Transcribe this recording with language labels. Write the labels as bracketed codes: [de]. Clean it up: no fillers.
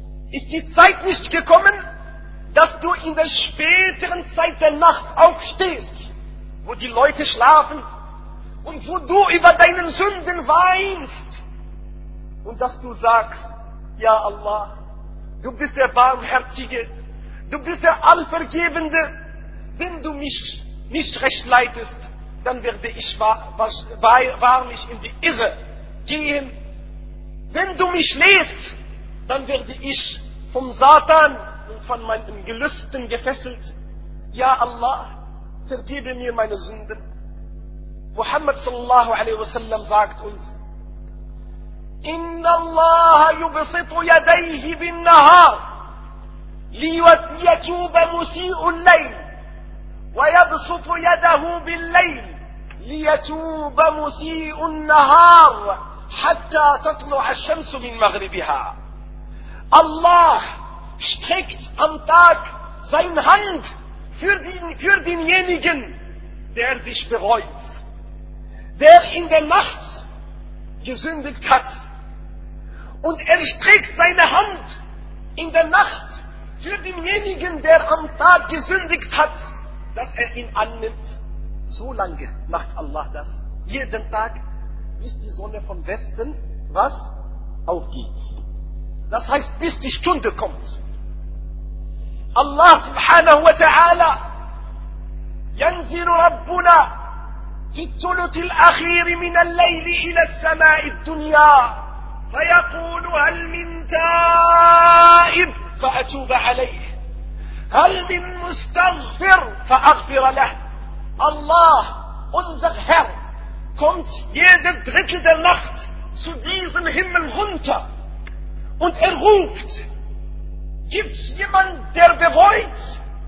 [de] Ist die Zeit nicht gekommen, dass du in der späteren Zeit der Nacht aufstehst, wo die Leute schlafen und wo du über deinen Sünden weinst und dass du sagst, ja Allah, du bist der Barmherzige, du bist der Allvergebende, wenn du mich nicht recht leitest, dann werde ich wahrlich in die Irre gehen. Wenn du mich lässt, dann werde ich vom Satan und von meinen Gelüsten gefesselt. Ja Allah, vergebe mir meine Sünden. [ar] Muhammad sallallahu alaihi wasallam [de] sagt uns, [ar] إِنَّ اللَّهَ يُبْسِطُ يَدَيْهِ بِالنَّهَارِ لِيَتُوبَ مُسِيءُ اللَّيْلِ وَيَبْسُطُ يَدَهُ بِالْلَّيْلِ لِيَتُوبَ مُسِيءُ النَّهَارِ حَتَّى تَطْلُعَ الشَّمْسُ مِنْ مَغْرِبِهَا. [de] Allah streckt am Tag seine Hand für denjenigen, der sich bereut, der in der Nacht gesündigt hat. Und er streckt seine Hand in der Nacht für denjenigen, der am Tag gesündigt hat, dass er ihn annimmt. So lange macht Allah das. Jeden Tag, bis die Sonne von Westen, was? Aufgeht. Das heißt, bis die Stunde kommt. [ar] Allah subhanahu wa ta'ala, ينزل ربنا في الثلث الأخير من الليل إلى السماء الدنيا فيقول هل من تائب فأتوب عليه هل من مستغفر فأغفر له. [de] Allah, unser Herr, kommt jeden Drittel der Nacht zu diesem Himmel runter und er ruft, gibt's jemanden, der bereut?